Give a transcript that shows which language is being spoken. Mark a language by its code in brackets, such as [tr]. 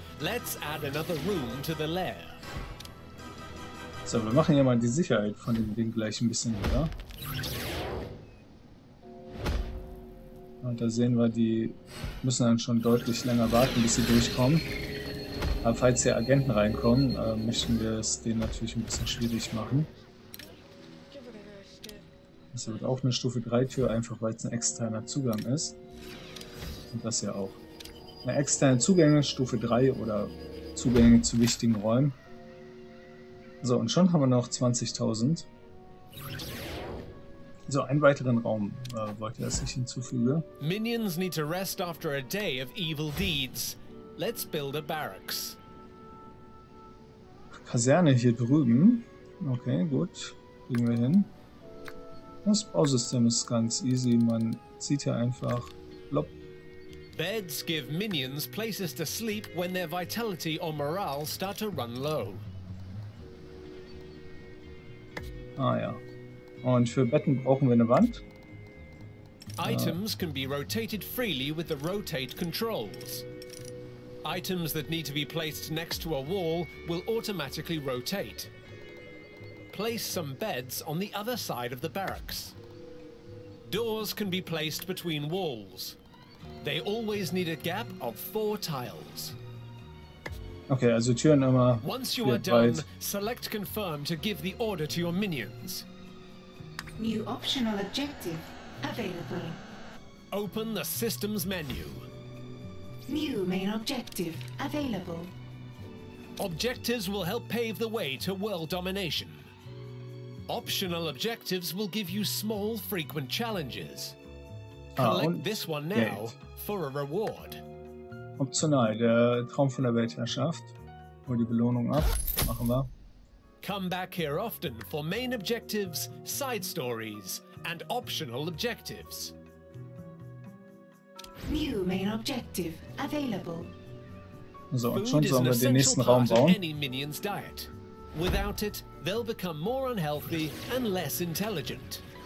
[en] Let's add another room to the lair. [de] So, wir machen hier mal die Sicherheit von dem Ding gleich ein bisschen höher. Und da sehen wir, die müssen dann schon deutlich länger warten, bis sie durchkommen. Aber falls hier Agenten reinkommen, möchten wir es denen natürlich ein bisschen schwierig machen. Das wird auch eine Stufe 3 Tür, einfach weil es ein externer Zugang ist. Und das ja auch. Eine externe Zugänge, Stufe 3 oder Zugänge zu wichtigen Räumen. So, und schon haben wir noch 20.000. So, einen weiteren Raum wollte er sich hinzufügen. [en] Minions need to rest after a day of evil deeds. Let's build a barracks. [de] Kaserne hier drüben. Okay, gut. Kriegen wir hin. Das Bausystem ist ganz easy. Man zieht hier einfach. Plopp. [en] Beds give minions places to sleep when their vitality or morale start to run low. [de] Ah ja. Und für Betten brauchen wir eine Wand. [en] Items can be rotated freely with the rotate controls. Items that need to be placed next to a wall will automatically rotate. Place some beds on the other side of the barracks. Doors can be placed between walls. They always need a gap of 4 tiles. [de] Okay, also Türen immer. [en] Once you are done, select confirm to give the order to your minions. New optional objective available. Open the systems menu. New main objective available. Objectives will help pave the way to world domination. Optional objectives will give you small frequent challenges. Collect this one now for a reward. [de] Optional, der Traum von der Weltherrschaft. Hol die Belohnung ab. Machen wir. [en] Come back here often for main objectives, side stories, and optional objectives. New main objective available. [de] So, und schon sollen wir den nächsten Raum bauen. [en] Any minion's diet. Without it, they'll become more unhealthy and less intelligent.